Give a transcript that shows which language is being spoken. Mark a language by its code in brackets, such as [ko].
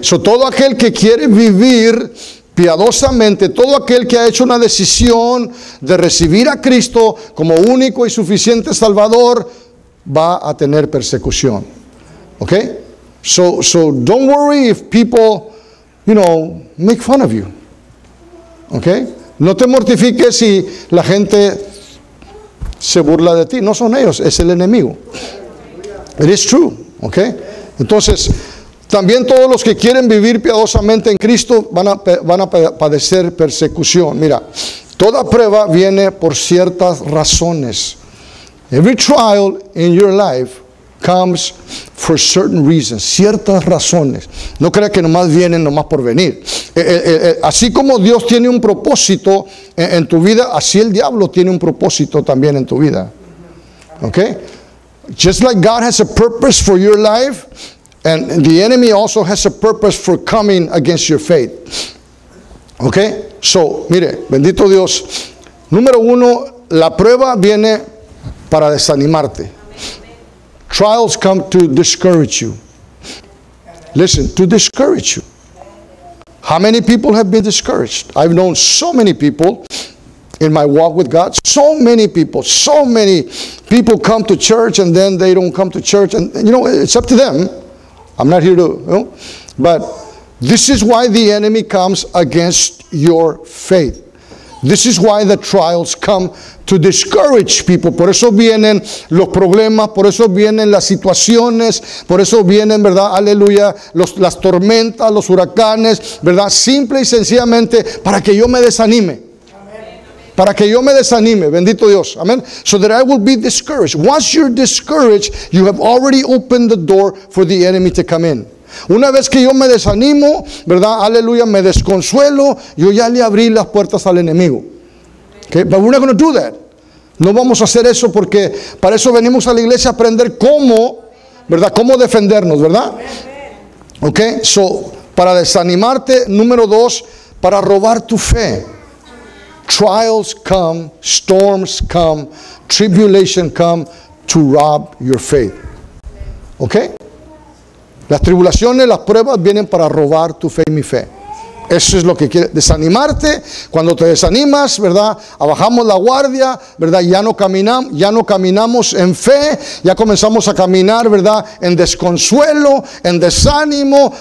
[es] So todo aquel que quiere vivir piadosamente, todo aquel que ha hecho una decisión de recibir a Cristo como único y suficiente Salvador, va a tener persecución. [en] Okay? So don't worry if people, you know, make fun of you. Okay. [es] No te mortifiques si la gente se burla de ti. No son ellos, es el enemigo. [en] It is true. Okay. [es] Entonces, también todos los que quieren vivir piadosamente en Cristo van a padecer persecución. Mira, toda prueba viene por ciertas razones. [en] Every trial in your life comes for certain reasons, [es] ciertas razones. No crea que nomás vienen nomás por venir. Así como Dios tiene un propósito en tu vida, así el diablo tiene un propósito también en tu vida. [en] Okay? Just like God has a purpose for your life, and the enemy also has a purpose for coming against your faith. [es] Okay? So, mire, bendito Dios. Número uno, la prueba viene para desanimarte. [en] Trials come to discourage you. Listen, to discourage you. How many people have been discouraged? I've known so many people in my walk with God. So many people come to church and then they don't come to church. And you know, it's up to them. I'm not here to, you know. But this is why the enemy comes against your faith. This is why the trials come to discourage people. [es] Por eso vienen los problemas, por eso vienen las situaciones, por eso vienen, ¿verdad? Aleluya, las tormentas, los huracanes, ¿verdad? Simple y sencillamente para que yo me desanime. Para que yo me desanime, bendito Dios. Amen. [en] So that I will be discouraged. Once you're discouraged, you have already opened the door for the enemy to come in. [es] Una vez que yo me desanimo, ¿verdad? Aleluya, me desconsuelo, yo ya le abrí las puertas al enemigo. Okay? [en] But we're not going to do that. [es] No vamos a hacer eso porque para eso venimos a la iglesia a aprender cómo, ¿verdad? Cómo defendernos, ¿verdad? Okay? So, para desanimarte, número dos, para robar tu fe. [en] Trials come, storms come, tribulation come to rob your faith. Okay? [es] Las tribulaciones, las pruebas vienen para robar tu fe y mi fe. Eso es lo que quiere, desanimarte. Cuando te desanimas, ¿verdad? Bajamos la guardia, ¿verdad? Ya no caminamos en fe. Ya comenzamos a caminar, ¿verdad? En desconsuelo, en desánimo.